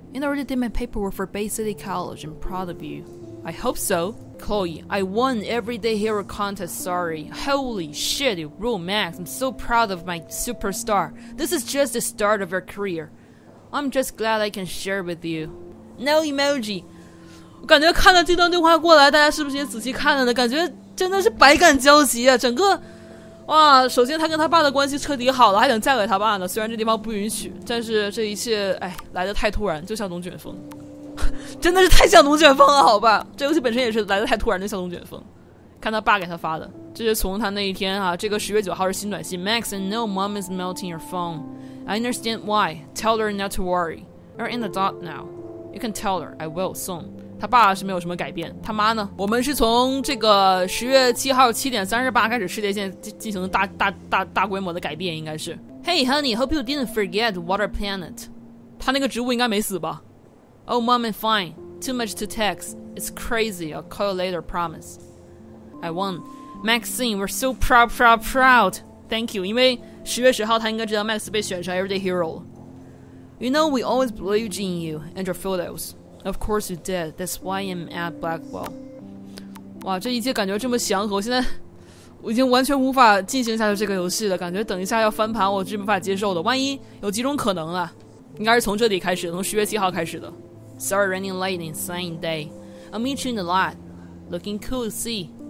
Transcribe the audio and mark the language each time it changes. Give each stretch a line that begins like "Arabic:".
English: I already did my paperwork for Bay City College. I'm proud of you. I hope so. Chloe, I won Everyday Hero Contest, sorry. Holy shit, you rule, Max. I'm so proud of my superstar. This is just the start of your career. I'm just glad I can share with you. No emoji.
Chinese: 我感觉看了这段对话过来，大家是不是也仔细看了呢？感觉真的是百感交集啊，整个哇，首先他跟他爸的关系彻底好了，还想嫁给他爸呢，虽然这地方不允许，但是这一切哎来得太突然，就像龙卷风。真的是太像龙卷风了，好吧，这游戏本身也是来得太突然的，像龙卷风。看他爸给他发的，这是从他那一天啊，这个10月9号是新短信。
English: Max, I know mom is melting your phone. I understand why. Tell her not to worry. You're in the dark now. You can tell her, I will soon.
Chinese: 他爸是没有什么改变，他妈呢？我们是从这个10月7号7:38开始世界线进行大规模的改变，应该是。
English: Hey, honey, hope you didn't forget water planet.
Chinese: 他那个植物应该没死吧
English: ？Oh, mom, I'm fine. Too much to text. It's crazy. I'll call you later. Promise. I won. Maxine, we're so proud. Thank you.
Chinese: 因为10月10号，他应该知道 Max 被选上 Everyday Hero 了。
English: You know, we always believed in you and your photos. Of course you did. That's why I'm at Blackwell.
Chinese: 哇，这一切感觉这么祥和，我现在我已经完全无法进行下去这个游戏了。感觉等一下要翻盘，我是无法接受的。万一有几种可能啊？应该是从这里开始，从十月七号开始的。
English: Sorry, running late in sunny day. I'll meet you in the lot. Looking cool, see.